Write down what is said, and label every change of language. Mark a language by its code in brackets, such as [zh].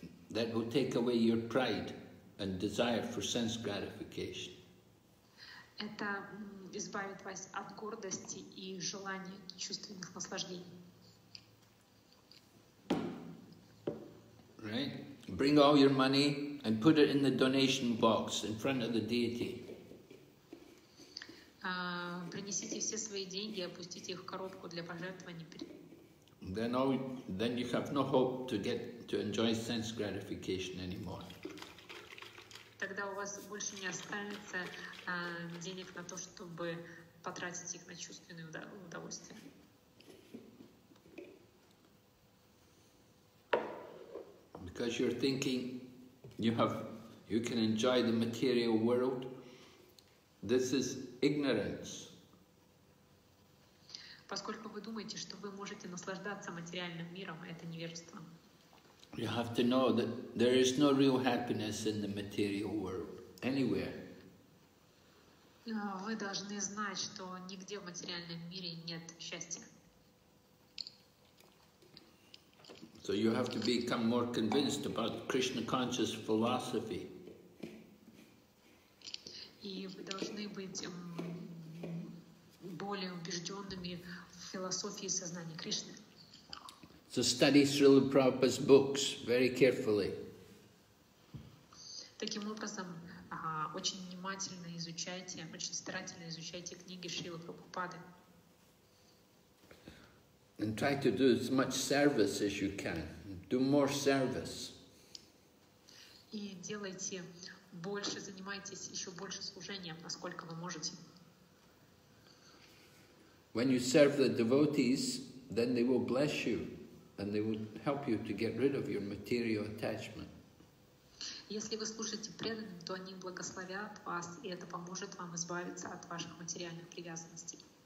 [en] That will take away your pride and desire for sense gratification. [ru] Это избавит вас от гордости и желания чувственных наслаждений. [en] Right? Bring all your money and put it in the donation box in front of the deity. [ru] Принесите все свои деньги, опустите их в коробку для пожертвований. [en] Then you have no hope to get to enjoy sense gratification anymore. [ru] Тогда у вас больше не останется денег на то, чтобы потратить их на чувственное удовольствие. [en] Because you're thinking you can enjoy the material world, this is ignorance. [ru] Поскольку вы думаете, что вы можете наслаждаться материальным миром, это невежество. [en] You have to know that there is no real happiness in the material world, anywhere. [ru] Вы должны знать, что нигде в материальном мире нет счастья. [en] So you have to become more convinced about Krishna conscious philosophy. [ru] И вы должны быть более убежденными философии сознания Кришны. [en] So study Srila Prabhupada's books very carefully. [ru] Таким образом, очень внимательно изучайте, очень старательно изучайте книги Шрилы Прабхупады. [en] And try to do as much service as you can. Do more service. [ru] И делайте больше, занимайтесь еще больше служением, насколько вы можете. [en] When you serve the devotees, then they will bless you and they will help you to get rid of your material attachment. [ru] Если вы служите преданным, то они благословят вас, и это поможет вам избавиться от ваших материальных привязанностей.